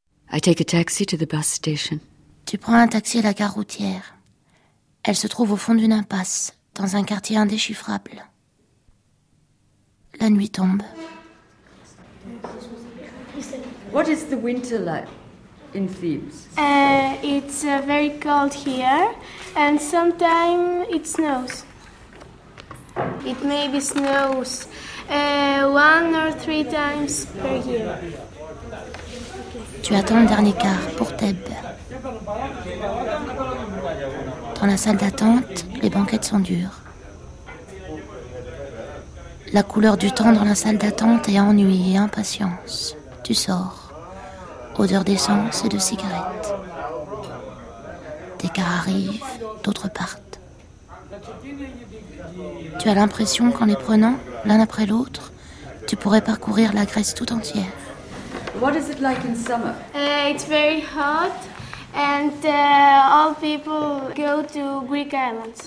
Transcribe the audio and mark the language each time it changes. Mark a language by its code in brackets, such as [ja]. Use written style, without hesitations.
[en] I take a taxi to the bus station. [fr] Tu prends un taxi à la gare routière. Elle se trouve au fond d'une impasse, dans un quartier indéchiffrable. La nuit tombe. [en] What is the winter like in Thebes? It's very cold here, and sometimes it snows. It maybe snows one or three times per year. [fr] Tu attends le dernier car pour Thèbes. Dans la salle d'attente, les banquettes sont dures. La couleur du temps dans la salle d'attente est ennui et impatience. Tu sors. Odeur d'essence et de cigarettes. Des cars arrivent, d'autres partent. Tu as l'impression qu'en les prenant, l'un après l'autre, tu pourrais parcourir la Grèce tout entière. [en] What is it like in summer? It's very hot and all people go to Greek islands.